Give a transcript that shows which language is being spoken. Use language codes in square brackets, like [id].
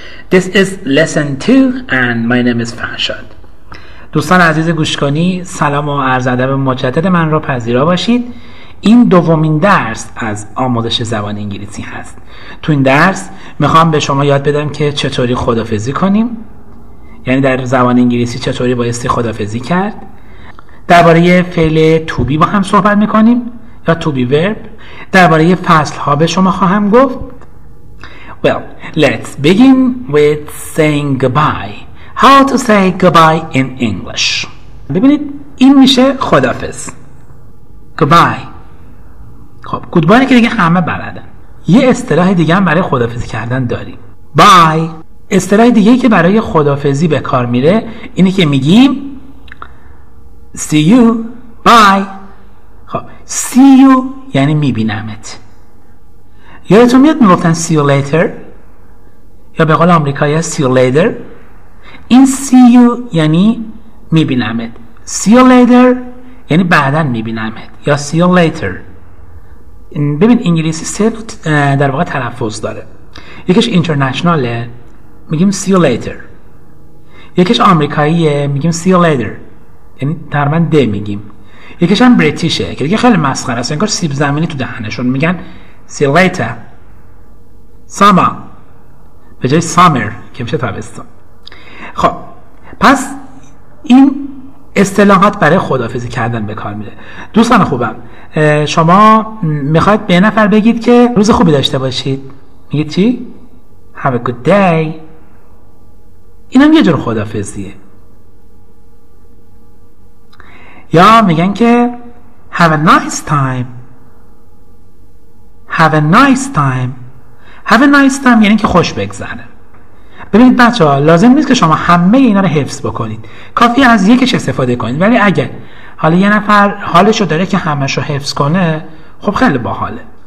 [en] This is lesson 2 and my name is Farshad. [fa] دوستان عزیز گوشکنی، سلام و عرض ادب مجدد من را پذیرا باشید. این دومین درس از آموزش زبان انگلیسی هست. تو این درس میخوام به شما یاد بدم که چطوری خدافظی کنیم، یعنی در زبان انگلیسی چطوری بایستی خدافظی کرد. درباره فعل to be با هم صحبت میکنیم یا to be verb. درباره فصل ها به شما خواهم گفت. [en] Well, let's begin with saying goodbye. How to say goodbye in English. [fa] ببینید این میشه خدافظ. [en] Goodbye. [fa] خب goodbye که دیگه همه بلدن. یه اصطلاح دیگه هم برای خدافظی کردن داریم. [en] Bye. [fa] اصطلاح دیگه که برای خدافظی به کار میره اینه که میگیم [en] See you. Bye. [fa] خب see you یعنی میبینمت. یادتون میاد میگفتن [en] see you later، [fa] یا به قول آمریکایی see you later. این [en] see you [fa] یعنی میبینمت. [en] See you later [fa] یعنی بعدن میبینمت، یا [en] see you later. [fa] ببین انگلیسی صرف در واقع تلفظ داره، یکیش اینترنشناله میگیم [en] see you later، [fa] یکیش آمریکاییه میگیم see you later، یعنی ترمن ده میگیم. یکیش هم بریتیشه که دیگه خیلی مسخره است، انگار سیب زمینی تو دهنشون، میگن [en] see you later. [fa] summer به جای summer که میشه تابستون. خب پس این اصطلاحات برای خدافظی کردن به کار میره. دوستان خوبم، شما میخواید به نفر بگید که روز خوبی داشته باشید، میگید چی؟ [en] have a good day. [fa] این هم یه جور خدافظیه. یا میگن که [en] have a nice time. have a nice time. have a nice time [fa] یعنی که خوش بگذره. ببینید بچه ها، لازم نیست که شما همه اینا رو حفظ بکنید، کافی از یکیش استفاده کنید. ولی اگه حالا یه نفر حالشو داره که همشو حفظ کنه، خب خیلی باحاله.